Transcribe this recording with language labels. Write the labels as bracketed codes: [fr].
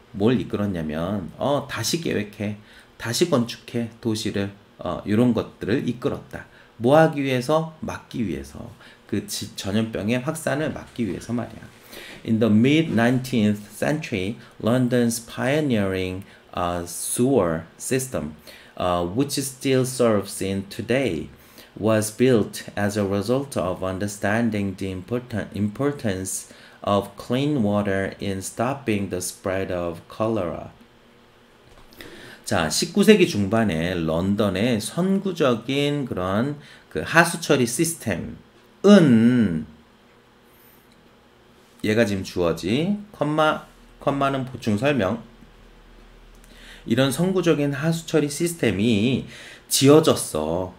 [ko] 뭘 이끌었냐면 다시 계획해, 다시 건축해 도시를 이런 것들을 이끌었다. 뭐 하기 위해서? 막기 위해서. 그 전염병의 확산을 막기 위해서 말이야. [en] In the mid-19th century, London's pioneering sewer system, which still serves in today, was built as a result of understanding the importance of clean water in stopping the spread of cholera. [ko] 자, 19세기 중반에 런던의 선구적인 그런 그 하수처리 시스템은 얘가 지금 주어지, 콤마는 보충 설명. 이런 선구적인 하수처리 시스템이 지어졌어.